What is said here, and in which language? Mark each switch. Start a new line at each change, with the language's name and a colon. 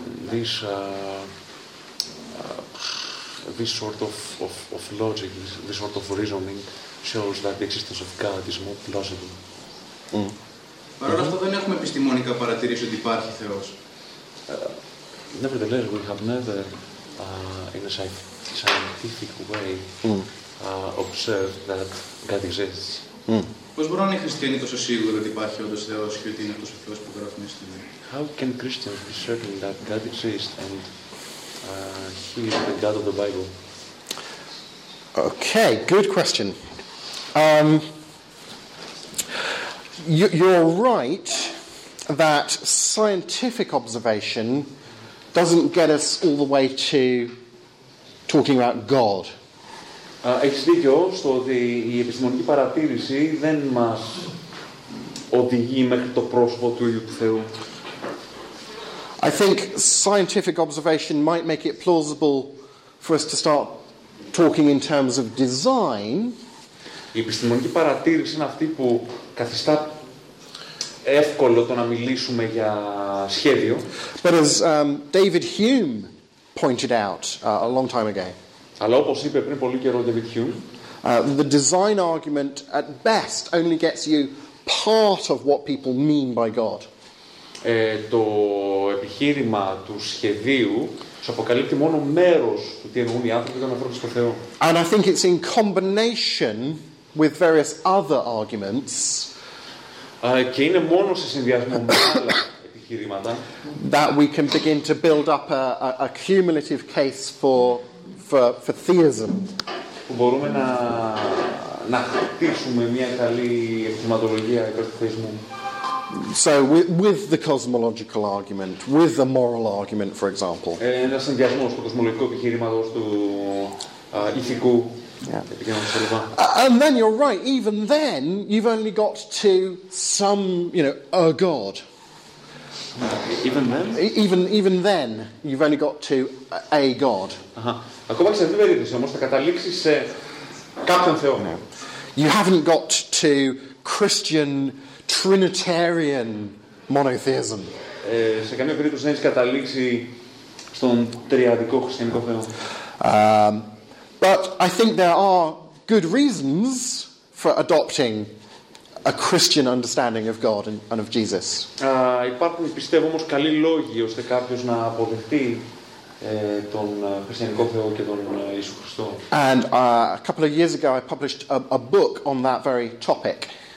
English: This this sort of logic, this sort of reasoning shows that the existence of God is more plausible.
Greek: Παρ' όλα αυτά δεν έχουμε επιστημονικά παρατηρήσει ότι υπάρχει Θεός.
English: Nevertheless, we have never, in a scientific way, observed that God exists.
Greek: Πώς μπορούν οι χριστιανοί τόσο σίγουροι ότι υπάρχει όντως Θεός και ότι είναι αυτός ο Θεός που γράφουν οι στιγμοί.
English: How can Christians be certain that God exists and He is the God of the Bible? Okay, good question. You're right that scientific observation doesn't get us all the way to talking about God.
Greek: Έχεις δίκιο στο ότι η επιστημονική παρατήρηση δεν μας οδηγεί μέχρι το πρόσωπο του ίδιου του Θεού.
English: I think scientific observation might make it plausible for us to start talking in terms of design.
Greek: Η επιστημονική παρατήρηση είναι αυτή που καθιστά εύκολο το να μιλήσουμε για σχέδιο.
English: But as David Hume pointed out a long time ago.
Greek: Αλλά όπως είπε πριν πολύ καιρό David Hume,
English: the design argument at best only gets you part of what people mean by God.
Greek: Το επιχείρημα του σχεδίου σου αποκαλύπτει μόνο μέρος του τι εννοούν οι άνθρωποι όταν αναφέρονται στον Θεό.
English: And I think it's in combination with various other arguments.
Greek: Και είναι μόνο σε συνδυασμό με άλλα επιχειρήματα
English: that we can begin to build up a cumulative case for theism.
Greek: Που μπορούμε να χτίσουμε μια καλή επιχειρηματολογία υπέρ του θεϊσμού.
English: So with the cosmological argument, with the moral argument, for example.
Greek: Ένας συνδυασμός του κοσμολογικού επιχειρήματος του ηθικού.
English: Yeah. And then you're right, even then you've only got to some, you know, a God. Even then? Even then you've only got to a God.
Greek: Ακόμα και σε αυτή την περίπτωση όμως θα καταλήξεις σε κάποιον Θεό.
English: You haven't got to Christian Trinitarian monotheism.
Greek: Σε καμία περίπτωση δεν έχεις καταλήξει στον τριαδικό χριστιανικό Θεό.
English: But I think there are good reasons for adopting a Christian understanding of God and of Jesus.
Greek: Υπάρχουν, πιστεύω, όμως καλοί λόγοι ώστε κάποιος να αποδεχτεί τον χριστιανικό Θεό και τον Ιησού Χριστό.
English: And a couple of years ago I published a book on that very topic.